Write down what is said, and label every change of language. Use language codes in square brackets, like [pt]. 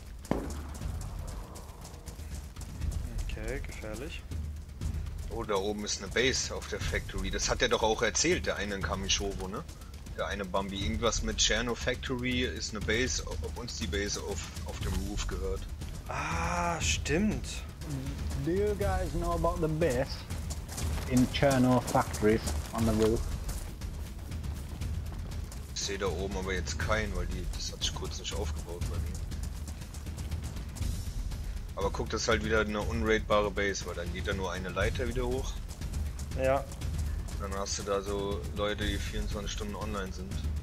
[de] Okay, gefährlich. Oh, da oben ist eine Base auf der Factory. Das hat er doch auch erzählt, der eine in Kamishovo, ne? Der eine Bambi. Irgendwas mit Cherno Factory ist eine Base, ob uns die Base auf dem Roof gehört. Ah, stimmt. [en] Do you guys know about the base in Cherno Factories on the roof? [de] Ich sehe da oben aber jetzt keinen, weil das hat sich kurz nicht aufgebaut bei mir. Aber guck, das ist halt wieder eine unraidbare Base, weil dann geht da nur eine Leiter wieder hoch. Ja. Dann hast du da so Leute, die 24 Stunden online sind.